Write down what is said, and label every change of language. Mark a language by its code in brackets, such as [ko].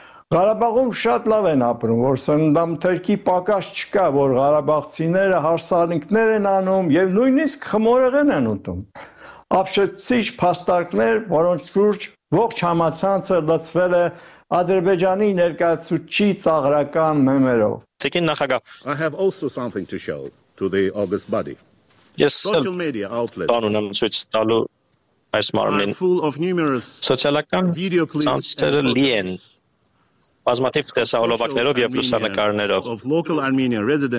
[hy] Ղարաբաղում շատ լավ են ապրում, որ սննդամթերքի պակաս չկա, որ ղարաբաղցիները հարսանիքներ են անում և նույնիսկ խմորեղեն են ուտում։ Ապշեցիչ փաստարկներ, որոնց շուրջ ողջ համացանցը լցվել է Ադրբեջանի ներկայացուցչի ծաղրական մեմերով։ Տեսեք նախագահ, [en] I have also something to show to the August body. Yes, social media outlets. [hy] Բանն ու ցույց տալու այս մարմին։ Սոցիալական ցանցերը լի են բազմաթիվ տեսահոլովակներով եւ լուսանկարներով։